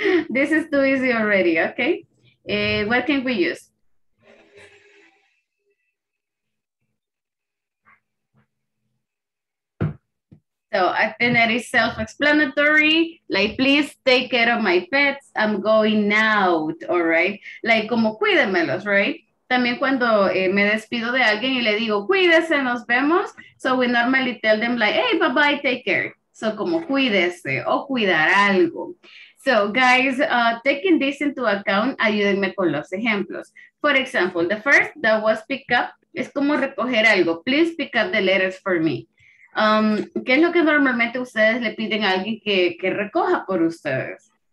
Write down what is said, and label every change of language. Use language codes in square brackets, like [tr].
[en] This is too easy already, okay? What can we use? So I think that is self-explanatory, like, please take care of my pets, I'm going out, all right? [es] Like, como cuídemelos, right? También cuando me despido de alguien y le digo, cuídese, nos vemos. [en] So we normally tell them like, hey, bye-bye, take care. So [es] como cuídese o cuidar algo. [en] So guys, taking this into account, [es] ayúdenme con los ejemplos. [en] For example, the first that was pick up, [es] es como recoger algo. [en] Please pick up the letters for me. [es] ¿Qué es lo que normalmente ustedes le piden a alguien que recoja por ustedes?